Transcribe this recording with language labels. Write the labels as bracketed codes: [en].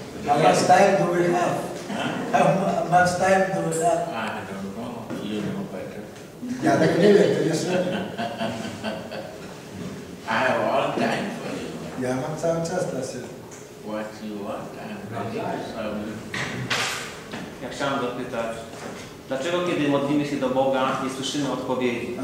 [en] A much time do we have? Much time do we have? I don't know. You know better. [pl] Ja tak nie wiem, to jest. [en] I have all time for you. [pl] Ja mam cały czas dla siebie. [en] What you want, I am ready to serve you. [pl] Ja chciałem dopytać. Dlaczego kiedy modlimy się do Boga, nie słyszymy odpowiedzi?